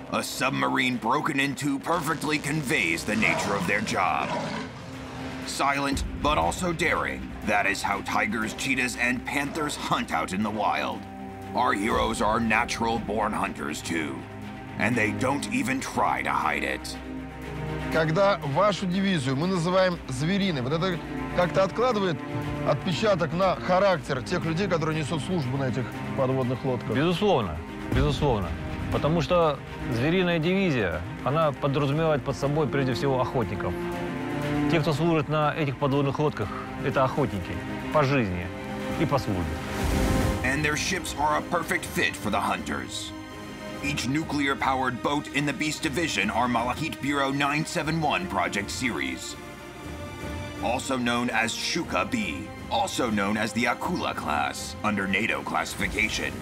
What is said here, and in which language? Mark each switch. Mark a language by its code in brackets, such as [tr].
[en] A submarine broken into perfectly conveys the nature of their job. Silent, but also daring, that is how tigers, cheetahs, and panthers hunt out in the wild. Our heroes are natural-born hunters, too. And they don't even try to hide it. [ru] Когда вашу дивизию мы называем звериной, вот это как-то откладывает отпечаток на характер тех людей, которые несут службу на этих подводных лодках? Безусловно, безусловно. Потому что звериная дивизия, она подразумевает под собой прежде всего охотников. Те, кто служит на этих подводных лодках, это охотники по жизни и по службе. [en] And their ships are a perfect fit for the hunters. Each nuclear-powered boat in the Beast Division are Malahit Bureau 971 Project Series, also known as Shuka B, also known as the Akula class, under NATO classification.